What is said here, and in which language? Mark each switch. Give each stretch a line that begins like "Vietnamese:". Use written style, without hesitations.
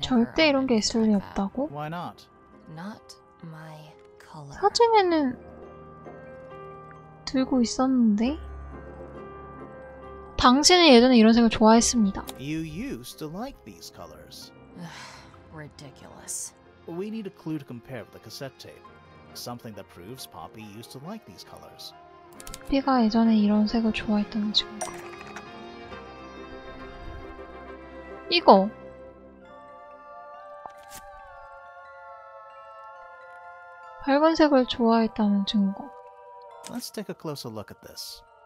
Korean: 절대 이런 게 있을 리 없다고?
English: Why not? Not my color.
Korean: 사진에는 들고 있었는데. 당신은 예전에 이런 색을 좋아했습니다.
English: You used to like these colors. Ridiculous. We need a clue to compare with the cassette tape. Something that proves Poppy used to like these colors.
Korean: 피가 예전에 이런 색을 좋아했던 지금. 이거. 밝은 색을 좋아했다는 증거.
English: Let's take a closer look at this.